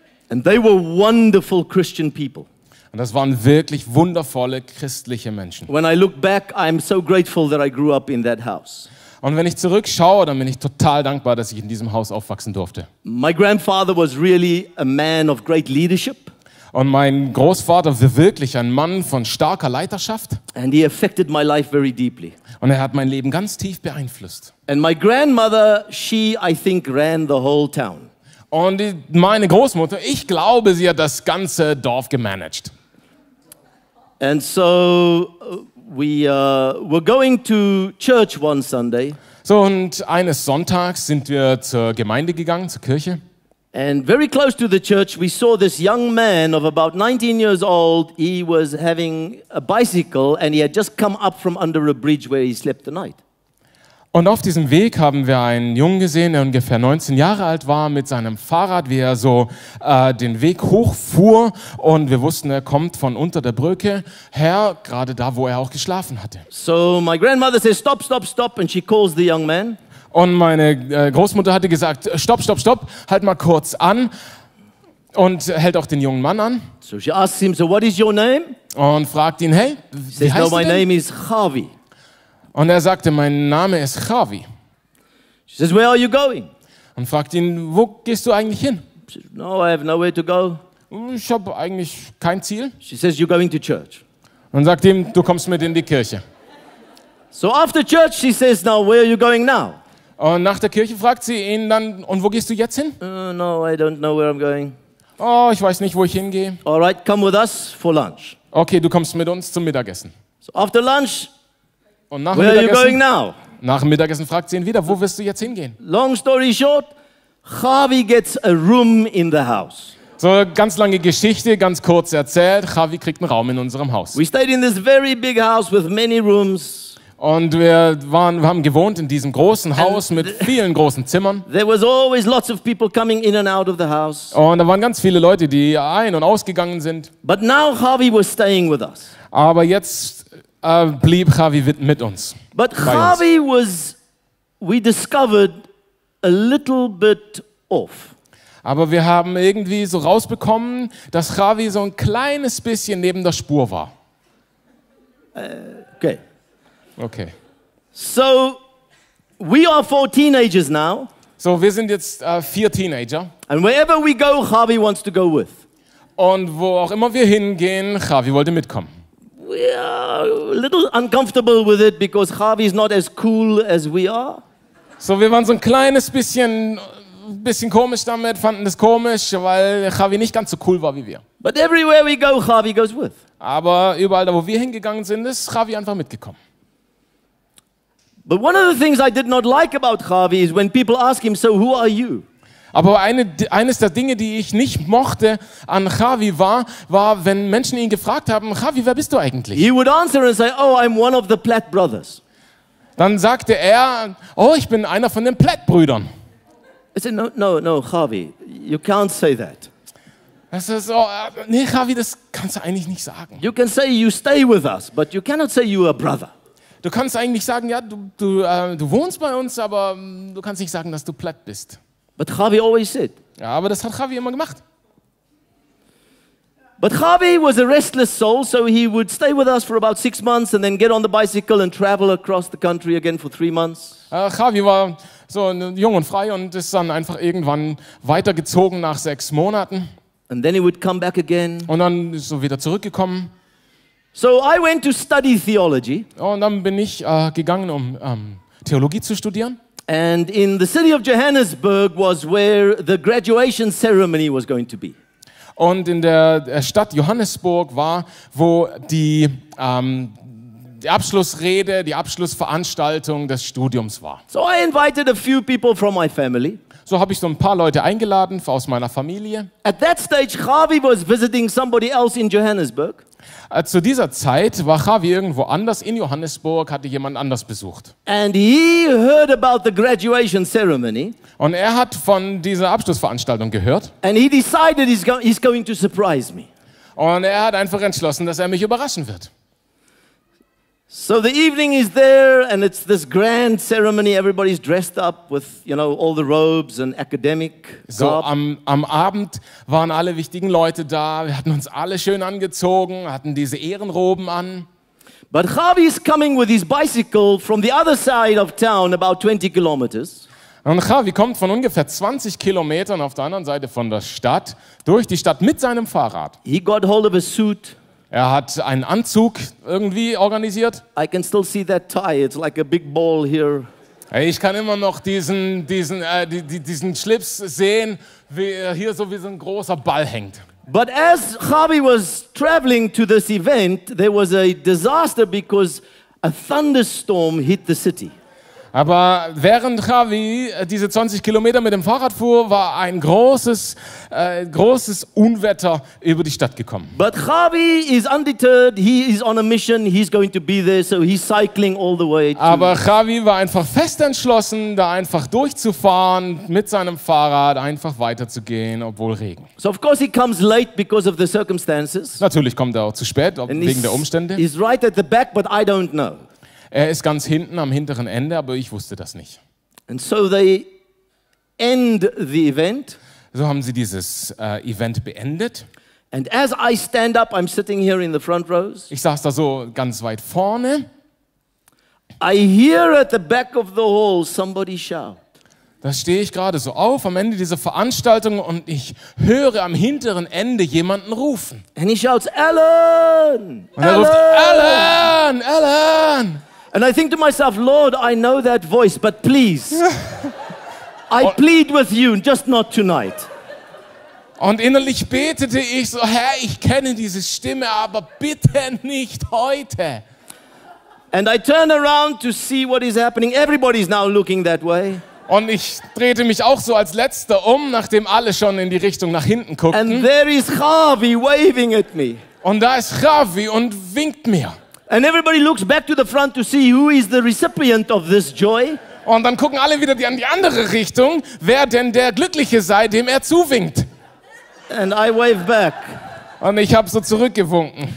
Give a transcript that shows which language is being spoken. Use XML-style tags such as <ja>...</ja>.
<en>And they were wonderful Christian people.</en> <de>Und das waren wirklich wundervolle christliche Menschen.</de> <en>When I look back, I'm so grateful that I grew up in that house.</en> <de>Und wenn ich zurückschaue, dann bin ich total dankbar, dass ich in diesem Haus aufwachsen durfte.</de> <en>My grandfather was really a man of great leadership.</en> <de>Und mein Großvater war wirklich ein Mann von starker Leiterschaft.</de> <en>And he affected my life very deeply.</en> <de>Und er hat mein Leben ganz tief beeinflusst.</de> <en>And my grandmother, she, I think, ran the whole town.</en> <de>Und meine Großmutter, ich glaube, sie hat das ganze Dorf gemanagt.</de> <en>And so we were going to church one Sunday.</en> <de>So und eines Sonntags sind wir zur Gemeinde gegangen, zur Kirche.</de> <en>And very close to the church we saw this young man of about 19 years old. He was having a bicycle and he had just come up from under a bridge where he slept the night.</en> <de>Und auf diesem Weg haben wir einen Jungen gesehen, der ungefähr 19 Jahre alt war, mit seinem Fahrrad, wie er so den Weg hochfuhr. Und wir wussten, er kommt von unter der Brücke her, gerade da, wo er auch geschlafen hatte.</de> <en>So my grandmother says, stop, stop, stop, and she calls the young man.</en> <de>Und meine Großmutter hatte gesagt, stopp, stopp, stopp, halt mal kurz an. Und hält auch den jungen Mann an.</de> <en>So she asks him, so what is your name?</en> <de>Und fragt ihn, hey, wie heißt du denn?</de> <en>My name is Javi.</en> <de>Und er sagte, mein Name ist Javi.</de> <en>She says, where are you going?</en> <de>Und fragt ihn, wo gehst du eigentlich hin?</de> <en>She says, no, I have nowhere to go.</en> <de>Ich habe eigentlich kein Ziel.</de> <en>She says, you're going to church.</en> <de>Und sagt ihm, du kommst mit in die Kirche.</de> <en>So after church, she says, now where are you going now?</en> <de>Und nach der Kirche fragt sie ihn dann, und wo gehst du jetzt hin?</de> <en>No, I don't know where I'm going.</en> <de>Oh, ich weiß nicht, wo ich hingehe.</de> <en>All right, come with us for lunch.</en> <de>Okay, du kommst mit uns zum Mittagessen.</de> <en>So after lunch.</en> <de>Und nach dem Mittagessen fragt sie ihn wieder, wo wirst du jetzt hingehen?</de> <en>Long story short, Javi gets a room in the house.</en> <de>So ganz lange Geschichte, ganz kurz erzählt, Javi kriegt einen Raum in unserem Haus.</de> <en>We stayed in this very big house with many rooms.</en> <de>Und wir haben gewohnt in diesem großen Haus mit vielen großen Zimmern.</de> <en>There was always lots of people coming in and out of the house.</en> <de>Und da waren ganz viele Leute, die ein- und ausgegangen sind.</de> <en>But now Javi was staying with us.</en> <de>Aber jetzt blieb Javi mit uns.</de> <en>But Javi was, we discovered, a little bit off.</en> <de>Aber wir haben irgendwie so rausbekommen, dass Javi so ein kleines bisschen neben der Spur war. Okay. Okay.</de> <en>So, we are four teenagers now.</en> <de>So, wir sind jetzt vier Teenager.</de> <en>And wherever we go, Javi wants to go with.</en> <de>Und wo auch immer wir hingehen, Javi wollte mitkommen.</de> <en>We are a little uncomfortable with it because Javi is not as cool as we are.</en> <de>So wir waren so ein kleines bisschen komisch damit, fanden es komisch, weil Javi nicht ganz so cool war wie wir.</de> <en>But everywhere we go, Javi goes with.</en> <de>Aber überall da, wo wir hingegangen sind, ist Javi einfach mitgekommen.</de> <en>But one of the things I did not like about Javi is when people ask him, so who are you?</en> <de>Aber eines der Dinge, die ich nicht mochte an Javi war, wenn Menschen ihn gefragt haben, Javi, wer bist du eigentlich?</de> <en>He would answer and say, oh, I'm one of the Platt brothers.</en> <de>Dann sagte er, oh, ich bin einer von den Platt-Brüdern.</de> <en>I said, no, Javi, you can't say that.</en> <de>Er sagt, oh, nee, Javi, das kannst du eigentlich nicht sagen.</de> <en>You can say you stay with us, but you cannot say you are a brother.</en> <de>Du kannst eigentlich sagen, ja, du wohnst bei uns, aber du kannst nicht sagen, dass du Platt bist.</de> <en>But Javi always said.</en> <de>Ja, aber das hat Javi immer gemacht.</de> <en>But Javi was a restless soul, so he would stay with us for about 6 months and then get on the bicycle and travel across the country again for 3 months.</en> <de>Javi war so jung und frei und ist dann einfach irgendwann weitergezogen nach 6 Monaten.</de> <en>And then he would come back again.</en> <de>Und dann ist so wieder zurückgekommen.</de> <en>So I went to study theology.</en> <de>Und dann bin ich gegangen, um Theologie zu studieren.</de> <en>And in the city of Johannesburg was where the graduation ceremony was going to be.</en> <de>Und in der Stadt Johannesburg war, wo die Abschlussrede, die Abschlussveranstaltung des Studiums war.</de> <en>So I invited a few people from my family.</en> <de>So habe ich so ein paar Leute eingeladen aus meiner Familie.</de> <en>At that stage, Javi was visiting somebody else in Johannesburg.</en> <de>Zu dieser Zeit war Javi irgendwo anders in Johannesburg, hatte jemand anders besucht.</de> <en>And he heard about the graduation ceremony.</en> <de>Und er hat von dieser Abschlussveranstaltung gehört.</de> <en>And he decided he's going to surprise me.</en> <de>Und er hat einfach entschlossen, dass er mich überraschen wird.</de> <en>So the evening is there and it's this grand ceremony, everybody's dressed up with, you know, all the robes and academic garb.</en> <de>So am Abend waren alle wichtigen Leute da, wir hatten uns alle schön angezogen, hatten diese Ehrenroben an.</de> <en>But Javi is coming with his bicycle from the other side of town, about 20 kilometers.</en> <de>Und Javi kommt von ungefähr 20 Kilometern auf der anderen Seite von der Stadt, durch die Stadt mit seinem Fahrrad.</de> <en>He got hold of a suit.</en> <de>Er hat einen Anzug irgendwie organisiert.</de> <en>I can still see that tie. It's like a big ball here.</en> <de>Hey, ich kann immer noch diesen Schlips sehen, wie er hier so wie so ein großer Ball hängt.</de> <en>But as Javi was traveling to this event, there was a disaster because a thunderstorm hit the city.</en> <de>Aber während Javi diese 20 Kilometer mit dem Fahrrad fuhr, war ein großes Unwetter über die Stadt gekommen.</de> <en>But Javi is undeterred, he is on a mission, he's going to be there, so he's cycling all the way.</en> <de>Aber Javi war einfach fest entschlossen, da einfach durchzufahren mit seinem Fahrrad, einfach weiterzugehen, obwohl Regen.</de> <en>So of course he comes late because of the circumstances.</en> <de>Natürlich kommt er auch zu spät, wegen der Umstände.</de> <en>He's right at the back, but I don't know.</en> <de>Er ist ganz hinten am hinteren Ende, aber ich wusste das nicht.</de> <en>And so they end the event.</en> <de>So haben sie dieses Event beendet.</de> <en>And as I stand up, I'm sitting here in the front rows.</en> <de>Ich saß da so ganz weit vorne.</de> <en>I hear at the back of the hall somebody shout.</en> <de>Da stehe ich gerade so auf am Ende dieser Veranstaltung und ich höre am hinteren Ende jemanden rufen.</de> <en>And he shouts, Alan!</en> <de>Und er ruft, Alan! Alan!</de> <en>And I think to myself, Lord, I know that voice, but please, I plead with you, just not tonight.</en> <de>Und innerlich betete ich so, Herr, ich kenne diese Stimme, aber bitte nicht heute.</de> <en>And I turn around to see what is happening. Everybody's now looking that way.</en> <de>Und ich drehte mich auch so als Letzter um, nachdem alle schon in die Richtung nach hinten guckten.</de> <en>And there is Javi waving at me.</en> <de>Und da ist Javi und winkt mir.</de> <en>And everybody looks back to the front to see who is the recipient of this joy.</en> <de>Und dann gucken alle wieder in die andere Richtung, wer denn der Glückliche sei, dem er zuwinkt.</de> <en>And I wave back.</en> <de>Und ich habe so zurückgewunken.</de>